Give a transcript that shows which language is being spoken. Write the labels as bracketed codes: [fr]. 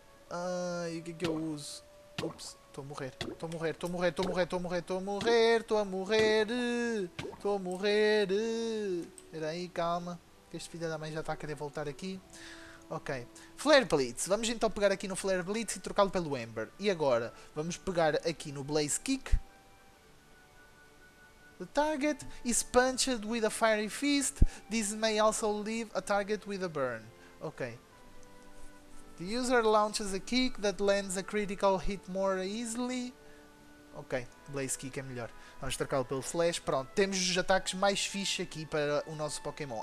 [pt] Ai, o que é que eu uso? Ups, estou a morrer. Espera aí, calma, que este filho da mãe já está a querer voltar aqui. Ok, Flare Blitz, vamos então pegar aqui no Flare Blitz e trocá-lo pelo Ember. E agora, vamos pegar aqui no Blaze Kick. [en] The target is punched with a fiery fist. This may also leave a target with a burn. Ok. The user launches a kick that lands a critical hit more easily. [pt] Ok. Blaze Kick é melhor. Vamos trocá-lo pelo Slash. Pronto. Temos os ataques mais fixe aqui para o nosso Pokémon.